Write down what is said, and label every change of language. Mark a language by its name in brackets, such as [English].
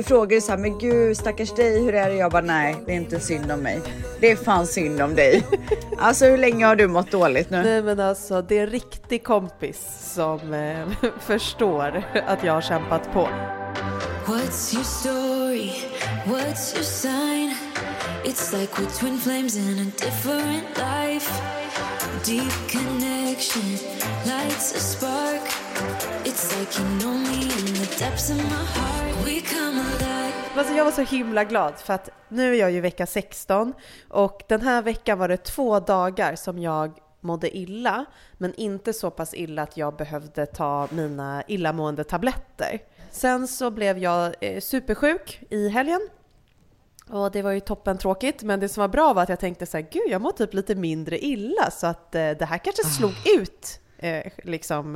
[Swedish] Du frågar ju så här, men gud stackars dig, hur är det? Jag bara, nej, det är inte synd om mig. Det är fan synd om dig. Alltså hur länge har du mått dåligt nu? Nej men alltså, det är en riktig kompis som förstår att jag har kämpat på. [English] What's your story? What's your sign? It's like we're twin flames in a different life. Deep connection, lights a spark. It's like you know me in the depths of my heart. We come alive. [Swedish] Alltså jag var så himla glad för att nu är jag ju vecka 16. Och den här veckan var det två dagar som jag mådde illa. Men inte så pass illa att jag behövde ta mina illamående tabletter. Sen så blev jag supersjuk i helgen. Och det var ju toppen tråkigt, men det som var bra var att jag tänkte så här, gud, jag mår typ lite mindre illa, så att det här kanske slog ut liksom